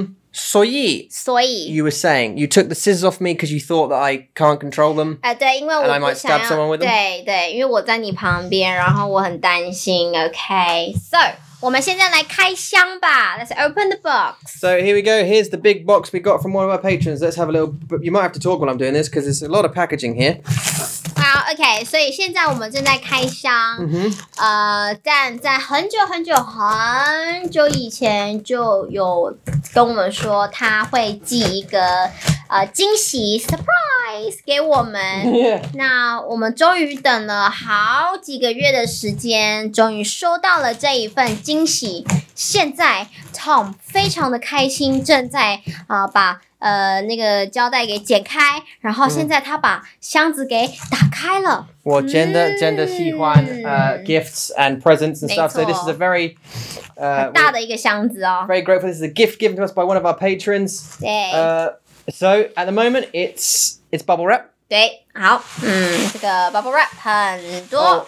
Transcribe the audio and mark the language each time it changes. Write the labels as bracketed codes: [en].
[zh] 所以 [en] you were saying you took the scissors off me because you thought that I can't control them. [zh] 对，因为我 [en] and I might stab someone with them. [zh] 对，因为我在你旁边，然后我很担心. [en] Okay, so [zh] 我们现在来开箱吧. [en] Let's open the box. So here we go. Here's the big box we got from one of our patrons. Let's have a little. You might have to talk while I'm doing this because there's a lot of packaging here. Wow. Okay. [zh] 所以现在我们正在开箱。 Mm-hmm. 但在很久很久很久以前就有。跟我们说他会寄一个惊喜 surprise 给我们。 [en] Yeah. [zh] 那我们终于等了好几个月的时间，终于收到了这一份惊喜。现在 Tom 非常的开心，正在把那个胶带给剪开，然后现在他把箱子给打开了。我真的真的喜欢 [en] gifts and presents and stuff. So this is a very [zh] 很大的一个箱子哦。 [en] Very grateful. This is a gift given to us by one of our patrons. [zh] 对。 [en] So at the moment it's bubble wrap. [zh] 对，好，嗯，这个 bubble wrap 很多。